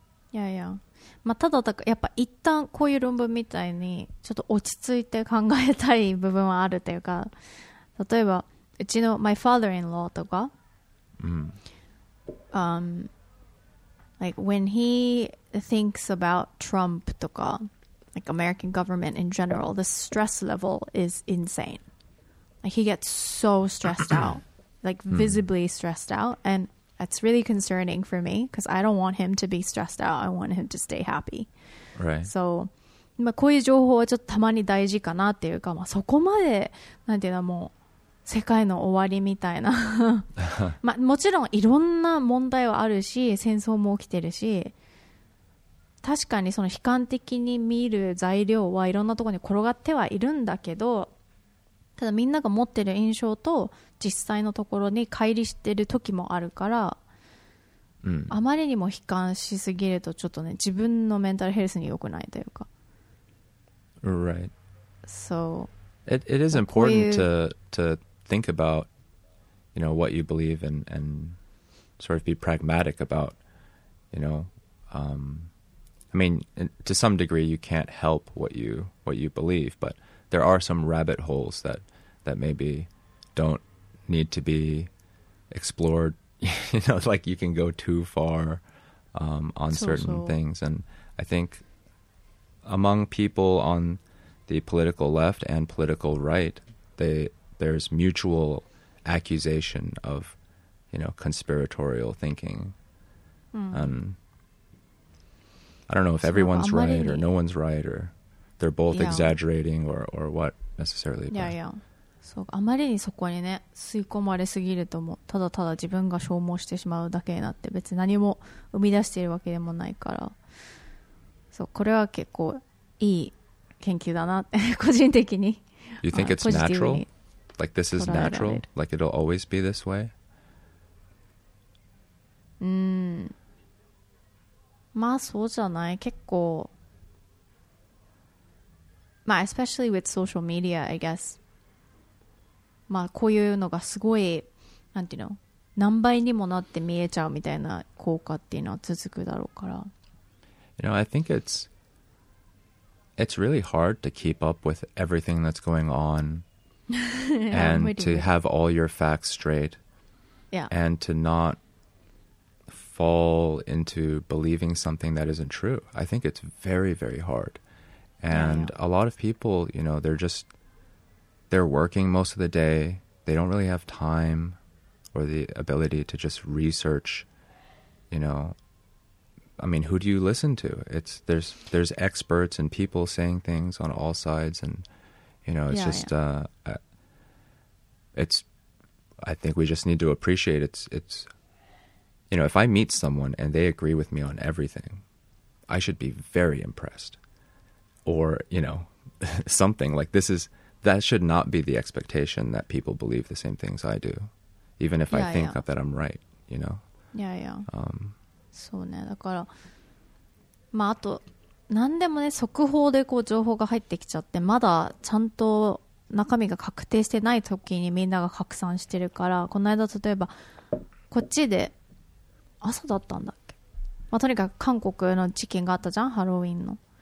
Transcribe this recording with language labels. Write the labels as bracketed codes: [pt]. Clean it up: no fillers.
[en] Yeah, yeah. [ja] まあ、ただやっぱ一旦こういう論文みたいにちょっと落ち着いて考えたい部分はあるというか、例えば、うちの [en] my father-in-law とか、like when he thinks about Trump とか like American government in general, the stress level is insane. Like he gets so stressed out, like visibly stressed out, and that's really concerning for me because I don't want him to be stressed out. I want him to stay happy. Right. So, [ja] まあこういう情報はちょっとたまに大事かなっていうか、まあそこまでなんていうのもう。世界の終わりみたいな、まあ、もちろんいろんな問題はあるし戦争も起きてるし、確かにその悲観的に見る材料はいろんなところに転がってはいるんだけど、ただみんなが持ってる印象と実際のところに乖離してる時もあるから、あまりにも悲観しすぎるとちょっとね自分のメンタルヘルスに良くないというか。 [en] Right. So It is important to think about, you know, what you believe in and sort of be pragmatic about, you know, I mean, to some degree you can't help what you believe, but there are some rabbit holes that maybe don't need to be explored, you know, like you can go too far on certain things. And I think among people on the political left and political right, there's mutual accusation of, you know, conspiratorial thinking. I don't know if everyone's right or no one's right or they're both exaggerating or what necessarily. Yeah, yeah. [ja] そう、あまりにそこにね、吸い込まれすぎるともただただ自分が消耗してしまうだけになって、別に何も生み出しているわけでもないから。そう、これは結構いい。研究だなって個人的に。 [en] You think it's natural? Like this is natural? Like it'll always be this way? [ja] まあそうじゃない。結構、まあ [en] especially with social media, I guess. [ja] まあ、こういうのがすごいなんていうの何倍にもなって見えちゃうみたいな効果っていうのは続くだろうから。 [en] You know, I think it's really hard to keep up with everything that's going on and to have all your facts straight. Yeah. And to not fall into believing something that isn't true. I think it's very, very hard. And yeah, yeah. a lot of people, you know, they're working most of the day. They don't really have time or the ability to just research, you know. I mean, who do you listen to? There's experts and people saying things on all sides. And, you know, I think we just need to appreciate it's, you know, if I meet someone and they agree with me on everything, I should be very impressed. Or, you know, something like this is, that should not be the expectation that people believe the same things I do. Even if I think that I'm right, you know? Yeah, yeah. [ja] そうね、だから、まあ、あと何でもね速報でこう情報が入ってきちゃってまだちゃんと中身が確定してない時にみんなが拡散してるから、この間例えばこっちで朝だったんだっけ、まあ、とにかく韓国の事件があったじゃん、ハロウィンの、